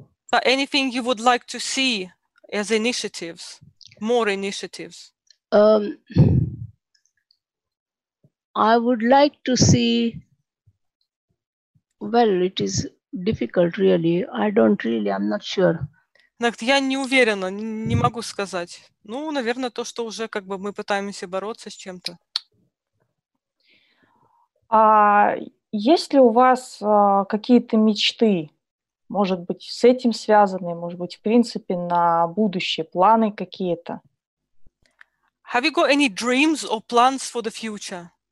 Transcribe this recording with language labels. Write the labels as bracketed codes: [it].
[en] But anything you would like to see as initiatives, more initiatives? I would like to see, well, it is difficult really. I'm not sure. [ru] Я не уверена, не могу сказать. Ну, наверное, то, что уже как бы мы пытаемся бороться с чем-то. А есть ли у вас какие-то мечты? Может быть, с этим связаны, может быть, в принципе, на будущее, планы какие-то? [en] Have you got any dreams or plans for the future?